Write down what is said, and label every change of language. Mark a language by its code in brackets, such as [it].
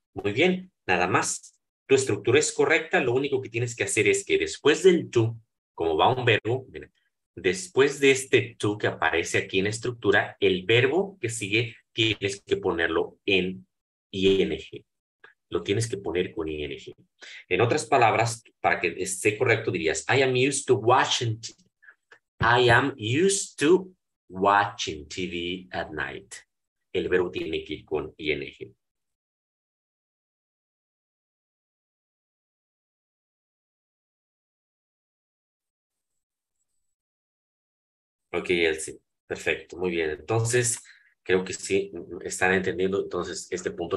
[es] Muy bien, nada más. Tu estructura es correcta. Lo único que tienes que hacer es que después del to, como va un verbo, mira, después de este to que aparece aquí en estructura, el verbo que sigue tienes que ponerlo en ing. Lo tienes que poner con ing. En otras palabras, para que esté correcto, dirías, [en] I am used to watching TV. I am used to watching TV at night. [es] El verbo tiene que ir con ing. Ok, Elsie. Perfecto. Muy bien. Entonces, creo que sí están entendiendo entonces este punto.